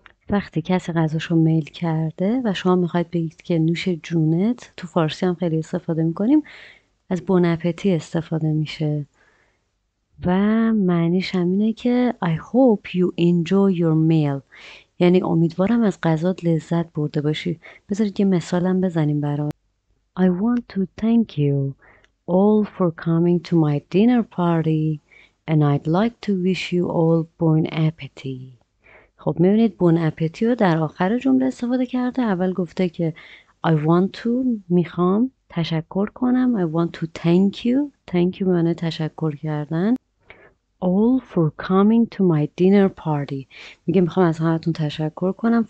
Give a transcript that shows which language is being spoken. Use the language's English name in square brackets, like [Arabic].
[Persian] وقتی کسی غذاشو میل کرده و شما میخواید بگید که نوش جونت، تو فارسی هم خیلی استفاده میکنیم، از بون اپتی استفاده میشه و معنیش هم اینه که [English] I hope you enjoy your meal، [Persian] یعنی امیدوارم از غذات لذت برده باشی. بذارید یه مثالم بزنیم برات. [English] I want to thank you all for coming to my dinner party and I'd like to wish you all bon appetit. [Persian] خب میبینید بون اپتی رو در آخر جمله استفاده کرده. اول گفته که [English] I want to، [Persian] میخوام تشکر کنم. [English] I want to thank you، thank you [Persian] معنی تشکر کردن. [English] All for coming to my dinner party، [Persian] میگه میخوام از همتون تشکر کنم.